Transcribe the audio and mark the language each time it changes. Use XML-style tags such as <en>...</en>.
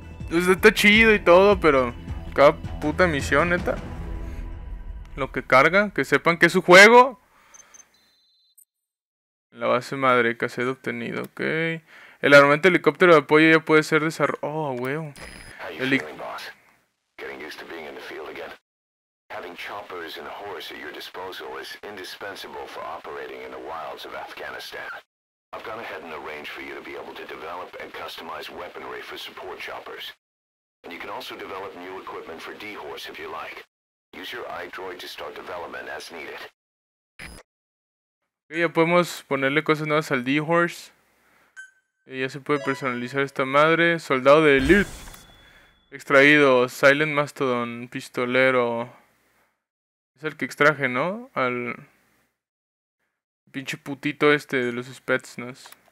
<es>O sea, está chido y todo, pero cada puta misión, neta. Lo que carga, que sepan que es su juego. La base madre, cassette obtenido, ok. El armamento helicóptero de apoyo ya puede ser desarrollado. Oh, huevo.</es> <en>Getting used to being in the field again. Having choppers and a horse at your disposal is indispensable for operating in the wilds of Afghanistan. I've gone ahead and arranged for you to be able to develop and customize weaponry for support choppers. And you can also develop new equipment for D-Horse if you like. Use your iDroid to start development as needed.</en> <es>Okay, ya podemos ponerle cosas nuevas al D-Horse. Ya se puede personalizar esta madre. Soldado de elite. Extraído. Silent Mastodon. Pistolero. Es el que extraje, ¿no? Al pinche putito este de los Spetsnaz.</es>